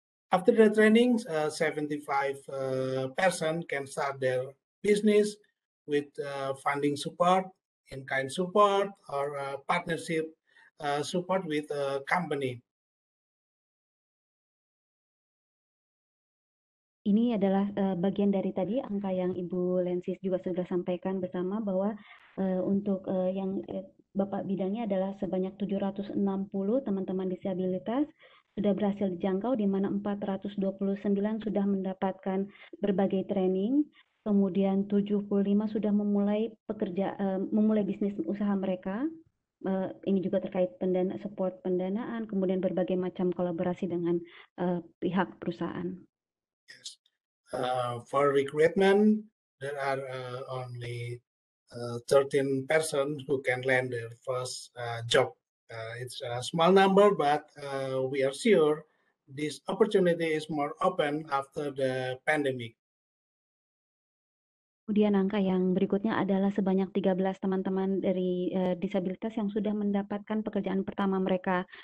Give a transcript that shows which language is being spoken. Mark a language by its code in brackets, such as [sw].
[en] After the training, 75 person can start their business with funding support, in-kind support, or partnership support with a company. [id] Ini adalah bagian dari tadi angka yang Ibu Lensis juga sudah sampaikan bersama bahwa untuk yang Bapak bidangnya adalah sebanyak 760 teman-teman disabilitas sudah berhasil dijangkau, di mana 429 sudah mendapatkan berbagai training, kemudian 75 sudah memulai memulai bisnis usaha mereka. Ini juga terkait support pendanaan, kemudian berbagai macam kolaborasi dengan pihak perusahaan. [en] Yes. For recruitment, there are only 13 person who can land their first job. It's a small number, but we are sure this opportunity is more open after the pandemic. [id] Kemudian angka yang berikutnya adalah sebanyak 13 teman-teman dari disabilitas yang sudah mendapatkan pekerjaan pertama mereka.